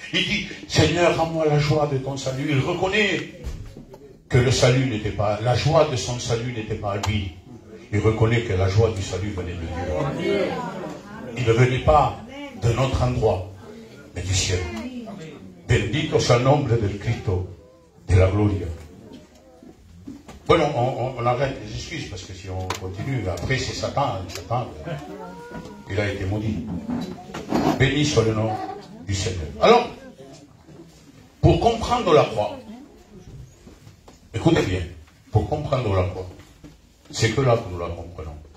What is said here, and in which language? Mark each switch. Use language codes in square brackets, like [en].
[fr] Il dit, Seigneur, rends-moi la joie de ton salut. Il reconnaît que le salut n'était pas, la joie de son salut n'était pas à lui. Il reconnaît que la joie du salut venait de Dieu. Il ne venait pas de notre endroit, mais du ciel. [es] Bendito sea el nombre del Cristo, de la gloria. [fr] Bon, on arrête les excuses, parce que si on continue, après c'est Satan, il a été maudit. Béni soit le nom du Seigneur. Alors, pour comprendre la croix, écoutez bien, pour comprendre la croix, c'est que là que nous la comprenons.